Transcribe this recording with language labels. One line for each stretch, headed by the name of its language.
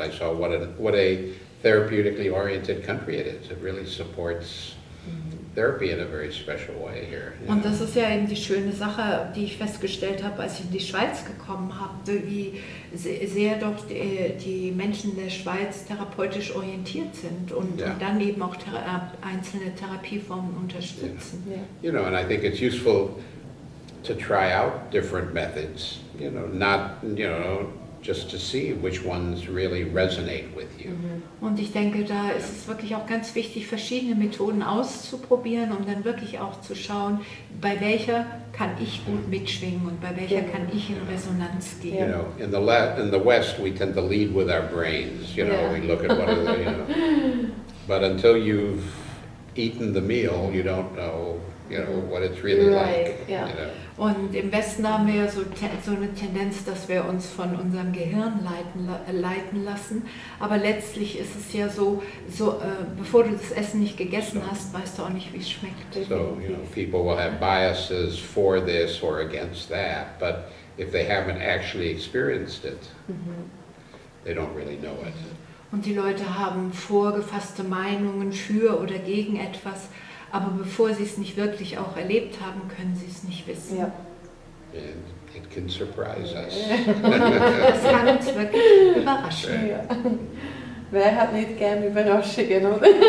English: I saw what a therapeutically oriented country it is. It really supports therapy in a very special way here.
German: Und das ist ja eben die schöne Sache, die ich festgestellt habe, als ich in die Schweiz gekommen habe, wie sehr doch die Menschen in der Schweiz therapeutisch orientiert sind und, yeah, und dann eben auch einzelne Therapieformen unterstützen.
English: Yeah. Yeah. You know, and I think it's useful to try out different methods, you know, not, you know, just to see which ones really resonate with you.
German: Und ich denke, da ist es wirklich auch ganz wichtig, verschiedene Methoden auszuprobieren, um dann wirklich auch zu schauen, bei welcher kann ich gut mitschwingen und bei welcher kann ich in Resonanz gehen.
English: You know, in the West, we tend to lead with our brains. You know, we look at what are they, you know. But until you've eaten the meal, you don't know, you know, what it's really like.
German: Und im Westen haben wir ja so eine Tendenz, dass wir uns von unserem Gehirn leiten lassen. Aber letztlich ist es ja so bevor du das Essen nicht gegessen hast, weißt du auch nicht, wie es schmeckt.
English: So, you know, people will have biases for this or against that, but if they haven't actually experienced it, they don't really know it.
German: Und die Leute haben vorgefasste Meinungen für oder gegen etwas, aber bevor sie es nicht wirklich auch erlebt haben, können sie es nicht wissen.
English: Ja. And it can surprise us.
German: Das kann uns wirklich überraschen. Ja. Wer hat nicht gern Überraschungen, oder?